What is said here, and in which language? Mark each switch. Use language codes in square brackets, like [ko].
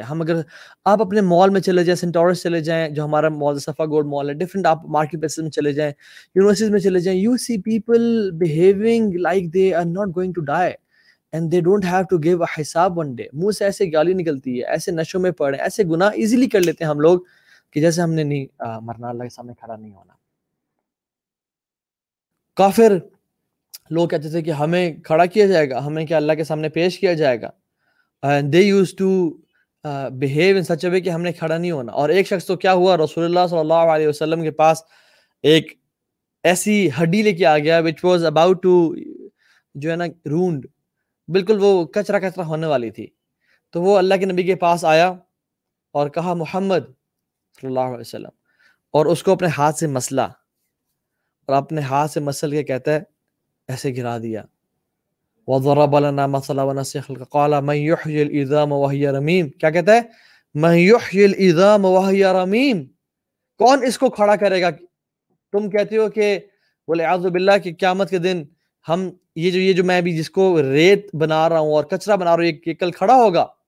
[hi] हम अगर आप अपने मॉल में चले जाएं, सेंटोरस चले जाएं जो हमारा मॉल सफा गोल्ड मॉल है, डिफरेंट आप मार्केट प्लेसेस में चले जाएं, यूनिवर्सिटीज में चले जाएं, [en] You see people behaving like they are not going to die and they don't have to give a हिसाब one day. [hi] मुंह से ऐसे गाली निकलती है, ऐसे नशों में पड़े, ऐसे गुनाह इजिली कर लेते हैं हम लोग कि जैसे हमने नहीं मरना, अल्लाह के सामने खड़ा नहीं होना. काफिर लोग कहते थे कि हमें खड़ा किया जाएगा, हमें क्या अल्लाह के सामने पेश किया जाएगा. [en] And they used to behave in such a way [hi] कि हमने खड़ा नहीं होना. और एक शख्स तो क्या हुआ, रसूलुल्लाह सल्लल्लाहु अलैहि वसल्लम के पास एक ऐसी हड्डी लेके आ गया [en] which was about to [hi] जो है ना ruined, बिल्कुल वो कचरा कचरा होने वाली थी. तो वो अल्लाह के नबी के पास आया और कहा मुहम्मद सल्लल्लाहु अलैहि वसल्लम, और उसको अपने हाथ से मसला और अपने हाथ से मसल के कहते हैं ऐसे गिरा दिया. [ar] وضرب لنا مثلا ونسي خلق قال من يحيي العظام وهي رميم. [hi] क्या कहता है, [ar] من يحيي العظام وهي رميم, [hi] कौन इसको खड़ा करेगा. तुम कहते हो कि बोले आज़ुबिल्लाह कि क़यामत के दिन हम ये जो मैं भी जिसको रेत बना रहा हूं और कचरा बना रहा हूं, ये कल खड़ा होगा.